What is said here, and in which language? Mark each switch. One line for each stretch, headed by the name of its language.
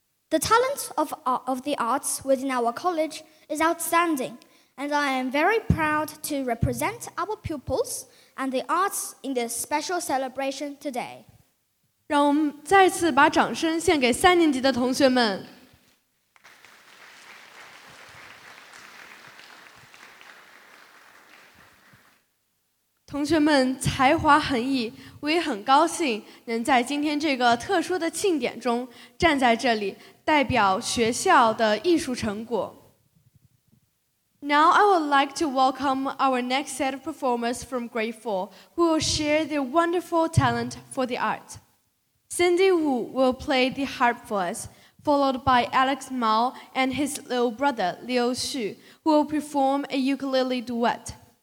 English: The talent of the arts within our college is outstanding, and I am very proud to represent our pupils and the arts in this special celebration today.
Chinese: 让我们再次把掌声献给三年级的同学们。同学们才华横溢，我也很高兴能在今天这个特殊的庆典中站在这里，代表学校的艺术成果。
English: Now I would like to welcome our next set of performers from Grade 4 who will share their wonderful talent for the art. Cindy Wu will play the harp for us, followed by Alex Mao and his little brother Liu Xu, who will perform a ukulele duet.